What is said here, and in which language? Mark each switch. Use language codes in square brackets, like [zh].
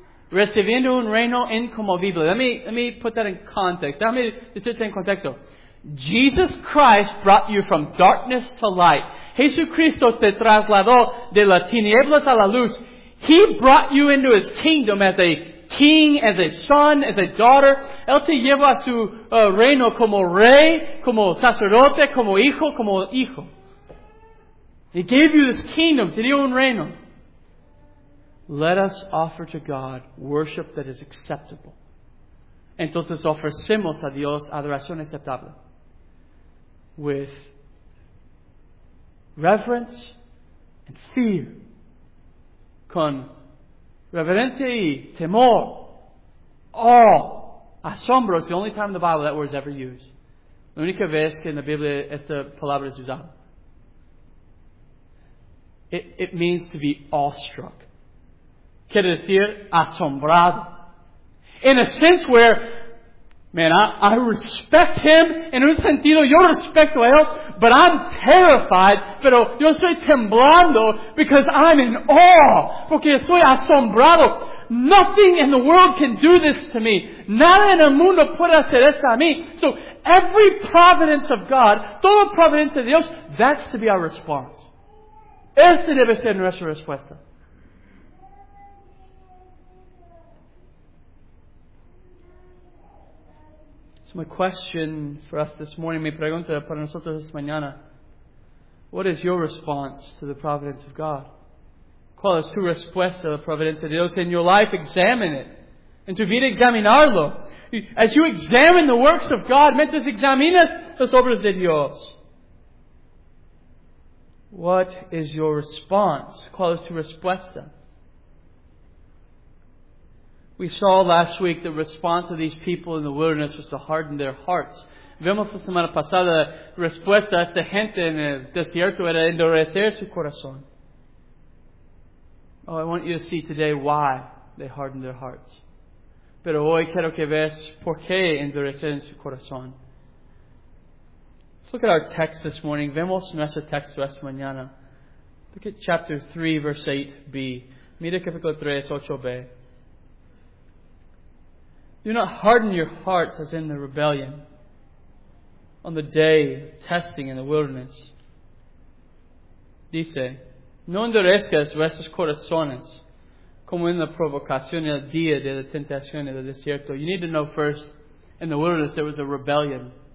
[es] Recibiendo un reino incomovible. [en] Let me put that in context. [es] Déjame decirte en contexto. [en] Jesus Christ brought you from darkness to light. [es] Jesucristo te trasladó de las tinieblas a la luz. [en] He brought you into His kingdom as a king, as a son, as a daughter. [es] Él te llevó a su reino como rey, como sacerdote, como hijo, como hijo. [en] He gave you this kingdom, [es] te dio un reino. [en] Let us offer to God worship that is acceptable. [es] Entonces ofrecemos a Dios adoración aceptable. [en] With reverence and fear. [es] Con reverencia y temor. Awe. Asombro. [en] It's the only time in the Bible that word is ever used. [es] La única vez que en la Biblia esta palabra es usada. [en] It means to be awestruck. [es] Quiere decir asombrado. [en] In a sense where, man, I respect him. [es] En un sentido, yo respeto a él, [en] but I'm terrified. [es] Pero yo estoy temblando [en] because I'm in awe. [es] Porque estoy asombrado. [en] Nothing in the world can do this to me. [es] Nada en el mundo puede hacer esto a mí. [en] So every providence of God, [es] toda providencia de Dios, [en] that's to be our response. [es] Esta debe ser nuestra respuesta. [en] My question for us this morning, [es] mi pregunta para nosotros esta mañana, [en] what is your response to the providence of God? [es] ¿Cuál es tu respuesta a la providencia de Dios [en] in your life? Examine it. [es] En tu vida, examinarlo. [en] As you examine the works of God, [es] mientras examinas las obras de Dios, [en] what is your response? [es] ¿Cuál es tu respuesta? [en] We saw last week the response of these people in the wilderness was to harden their hearts. [es] Vemos la semana pasada respuesta a esta gente en el desierto era endurecer su corazón. [en] Oh, I want you to see today why they hardened their hearts. [es] Pero hoy quiero que veas por qué endurecieron su corazón. [en] Let's look at our text this morning. [es] Vemos nuestro texto esta mañana. [en] Look at chapter 3, verse 8b. [es] Mira capítulo 3, 8b. [en] Do not harden your hearts as in the rebellion on the day of testing in the wilderness. [es] Dice, no endurezcas vuestros corazones como en la provocación el día de la tentación en el desierto. [en] You need to know first, in the wilderness there was a rebellion.